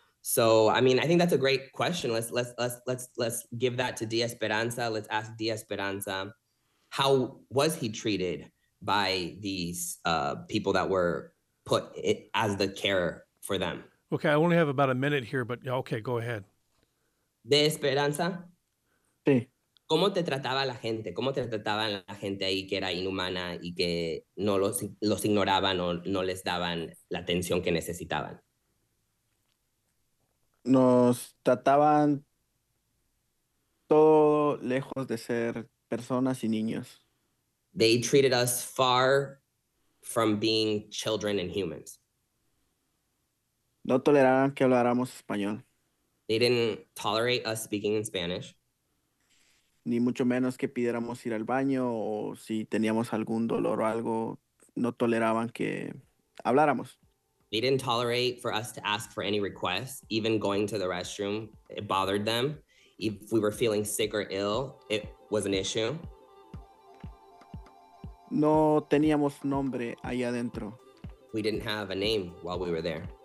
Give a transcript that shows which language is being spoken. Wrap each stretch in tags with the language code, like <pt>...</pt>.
<en>So, I mean, I think that's a great question. Let's give that to Di Esperanza. Let's ask Di Esperanza, how was he treated by these people that were put as the care for them? Okay, I only have about a minute here, but okay, go ahead. Di Esperanza?</en> <es>Sí. ¿Cómo te trataba la gente? ¿Cómo te trataban la gente ahí que era inhumana y que no los ignoraban o no les daban la atención que necesitaban? Nos trataban todo lejos de ser personas y niños.</es> <en>They treated us far from being children and humans.</en> <es>No toleraban que habláramos español.</es> <en>They didn't tolerate us speaking in Spanish.</en> <es>Ni mucho menos que pidiéramos ir al baño o si teníamos algún dolor o algo, no toleraban que habláramos.</es> <en>They didn't tolerate for us to ask for any requests, even going to the restroom. It bothered them. If we were feeling sick or ill, it was an issue.</en> <es>No teníamos nombre ahí adentro.</es> <en>We didn't have a name while we were there.</en>